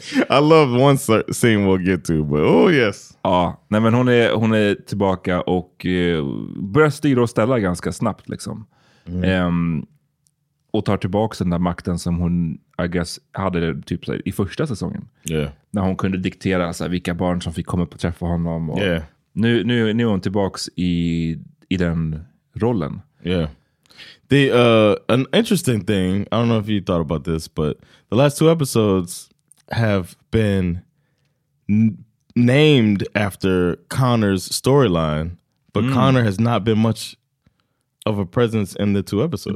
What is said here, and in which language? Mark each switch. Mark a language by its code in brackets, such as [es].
[en] I love one scene we'll get to, but oh yes. [sv] Ja, nej, men hon är tillbaka och börjar styra och ställa ganska snabbt liksom. Och tar tillbaka den där makten som hon, [en] I guess, [sv] hade typ så här, i första säsongen. [en] Yeah. [sv] När hon kunde diktera så här, vilka barn som fick komma på träffa honom. Och yeah. Nu är hon tillbaka i den rollen. [en] Yeah. The an interesting thing, I don't know if you thought about this, but the last two episodes have been named after Connor's storyline, but Connor has not been much of a presence in the two episodes.